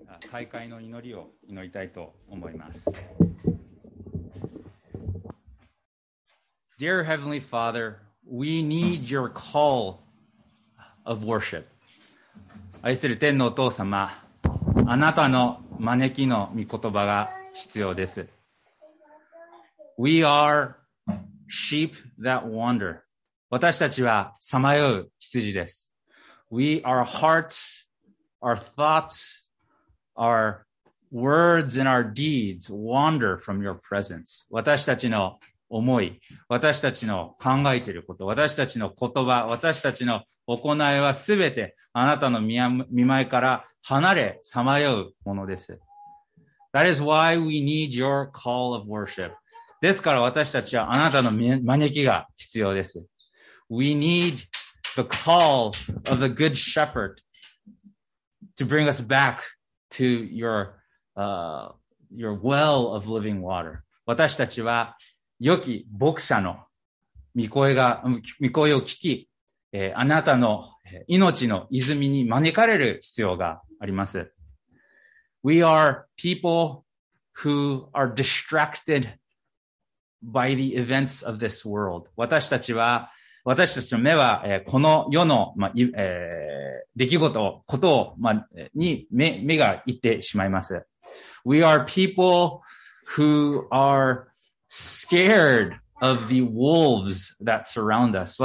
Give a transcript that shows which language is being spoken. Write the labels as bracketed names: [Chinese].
[Japanese] 開会の祈りを祈りたいと思います。 [English] Dear Heavenly Father, we need your call of worship. [Japanese] 愛する天のお父様、あなたの招きの御言葉が必要です。 [English] We are sheep that wander. [Japanese] 私たちはさまよう羊です。 [English] We, our hearts, our thoughts, our words and our deeds wander from your presence. [Japanese] 私たちの思い、私たちの考えていること、私たちの言葉、私たちの行いはすべてあなたの御前から離れさまようものです。 [English] That is why we need your call of worship. [Japanese] ですから私たちはあなたの招きが必要です。 [English] We need the call of the good shepherd to bring us back to your well of living water. [Japanese] 私たちは良き牧者の御声を聞き、あなたの命の泉に招かれる必要があります。 [English] We are people who are distracted by the events of this world. [Japanese] 私たちの目は、この世の、出来事、ことを、に目が行ってしまいます。 [English] We are people who are scared of the wolves that surround us.